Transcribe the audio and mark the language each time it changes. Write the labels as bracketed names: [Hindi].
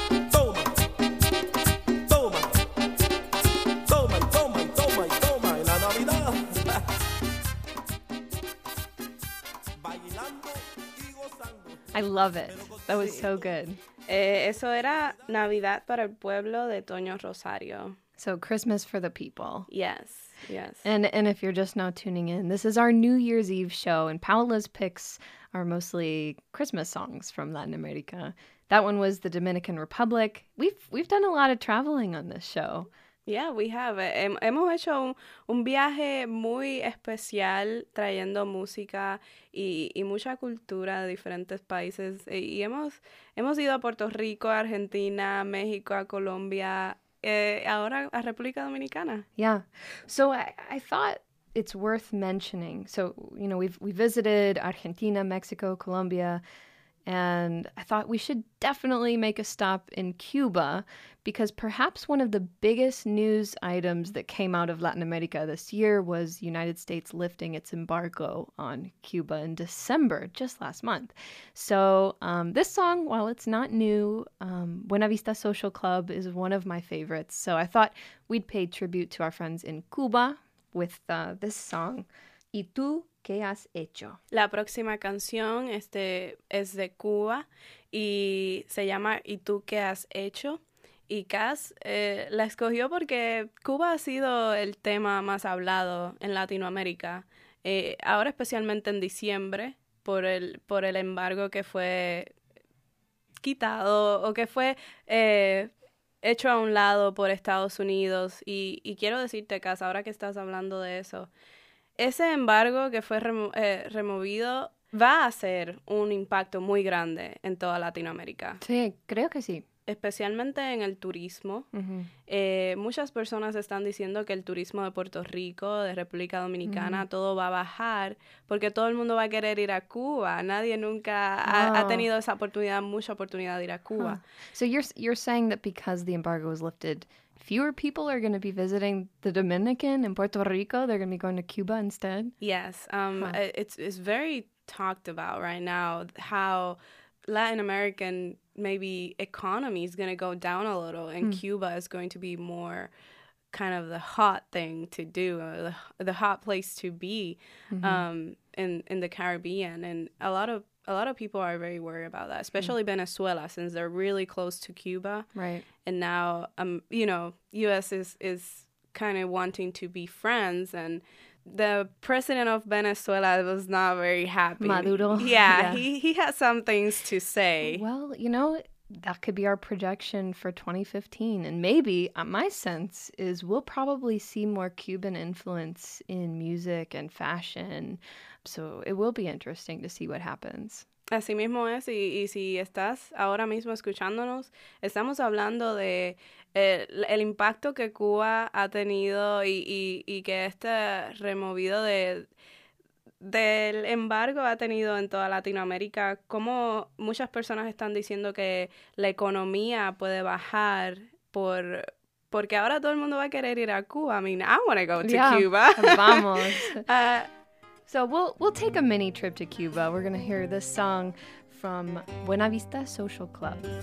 [Spanish] Toma, toma, toma, toma, toma, toma, en la Navidad. Bailando y gozando. [English] I love it. That was so good. [Spanish] Eso era Navidad para el Pueblo de Toño Rosario. [English] So Christmas for the People. Yes. Yes. And if you're just now tuning in, this is our New Year's Eve show, and Paola's picks are mostly Christmas songs from Latin America. That one was the Dominican Republic. We've done a lot of traveling on this show. Yeah, we have. [Spanish] Hemos hecho un viaje muy especial trayendo música y mucha cultura de diferentes países. Y hemos ido a Puerto Rico, Argentina, México, a Colombia, ahora a República Dominicana. [English] Yeah. So I thought it's worth mentioning. So, you know, we visited Argentina, Mexico, Colombia, and I thought we should definitely make a stop in Cuba, because perhaps one of the biggest news items that came out of Latin America this year was United States lifting its embargo on Cuba in December, just last month. So this song, while it's not new, Buena Vista Social Club is one of my favorites. So I thought we'd pay tribute to our friends in Cuba with this song, Y Tú, ¿Qué Has Hecho? [Spanish] La próxima canción es de Cuba y se llama Y Tú, ¿Qué Has Hecho? Y Cass la escogió porque Cuba ha sido el tema más hablado en Latinoamérica, ahora especialmente en diciembre, por el embargo que fue quitado o que fue hecho a un lado por Estados Unidos. Y quiero decirte, Cass, ahora que estás hablando de eso, ese embargo que fue removido va a hacer un impacto muy grande en toda Latinoamérica. Sí, creo que sí. Especialmente en el turismo. Uh-huh. Muchas personas están diciendo que el turismo de Puerto Rico, de República Dominicana, uh-huh. todo va a bajar porque todo el mundo va a querer ir a Cuba. Nadie nunca ha tenido esa oportunidad, mucha oportunidad de ir a Cuba. Huh. [English] So you're saying that because the embargo was lifted, fewer people are going to be visiting the Dominican in Puerto Rico. They're going to be going to Cuba instead. Yes. It's very talked about right now how Latin American maybe economy is going to go down a little and Cuba is going to be more kind of the hot thing to do, the hot place to be in the Caribbean. And a lot of people are very worried about that, especially Venezuela, since they're really close to Cuba. Right. And now, you know, U.S. is kind of wanting to be friends, and the president of Venezuela was not very happy. Maduro. Yeah, he has some things to say. Well, you know, that could be our projection for 2015. And maybe, my sense is we'll probably see more Cuban influence in music and fashion. So it will be interesting to see what happens. [Spanish] Así mismo es, y si estás ahora mismo escuchándonos, estamos hablando de el impacto que Cuba ha tenido y que este removido del embargo ha tenido en toda Latinoamérica, como muchas personas están diciendo que la economía puede bajar porque ahora todo el mundo va a querer ir a Cuba. [English] I mean, I want to go to Cuba. Vamos. So we'll take a mini trip to Cuba. We're going to hear this song from Buena Vista Social Club.